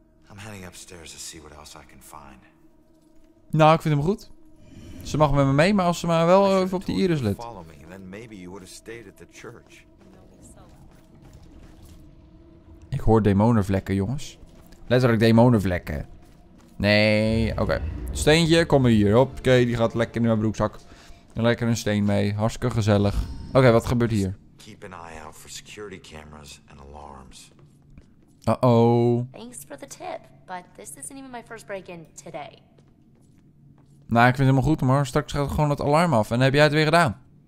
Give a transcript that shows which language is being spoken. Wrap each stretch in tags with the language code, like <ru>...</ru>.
<en>I'm heading upstairs to see what else I can find.</en> <nl>Nou, ik vind hem goed. Ze mag met me mee, maar als ze maar wel even op die Iris let.</nl> <en>Follow me, then maybe you would have stayed at the church.</en> <nl>Ik hoor demonenvlekken, jongens. Letterlijk demonenvlekken. Nee, oké. Steentje, kom hier. Hoppakee, die gaat lekker in mijn broekzak. Lekker een steen mee. Hartstikke gezellig. Oké, wat gebeurt hier?</nl> <en>Keep an eye out for security cameras and alarms. Uh-oh. Thanks for the tip, but this isn't even my first break-in today.</en> <nl>Nou, ik vind het helemaal goed, maar straks gaat gewoon het alarm af. En dan heb jij het weer gedaan.</nl>